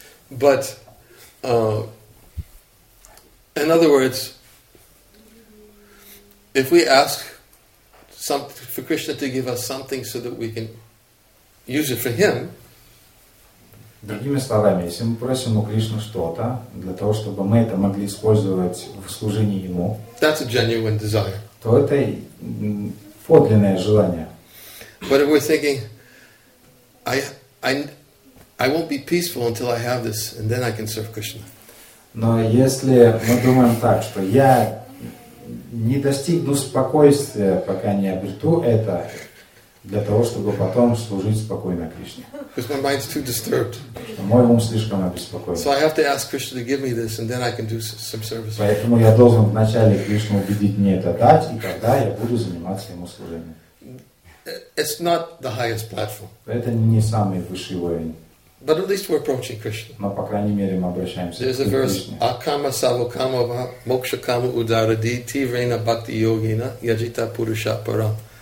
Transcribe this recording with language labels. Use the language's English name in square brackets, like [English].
[English] But, in other words, if we ask for Krishna to give us something so that we can use it for Him. [Russian] Другими словами, если мы просим у Кришны что-то для того, чтобы мы это могли использовать в служении Ему, [English] that's a genuine desire. [Russian] То это подлинное желание. [English] But if we're thinking, I won't be peaceful until I have this, and then I can serve Krishna. [Russian] Но если мы думаем так, что я не достигну спокойствия, пока не обрету это, для того, чтобы потом служить спокойно Кришне. [English] Because my mind's too disturbed. [Russian] Мой ум слишком обеспокоен. [English] So I have to ask Krishna to give me this, and then I can do some service. [Russian] Поэтому я должен вначале Кришну убедить мне это дать, и тогда я буду заниматься ему служением. [English] It's not the highest platform. [Russian] Это не самый высший уровень. [English] But at least we're approaching Krishna. [Russian] Но по крайней мере мы обращаемся. [English] There's a verse: [Sanskrit] Akama savokamava moksha kama udaradi tivrena bhakti yogina yajita purusha param.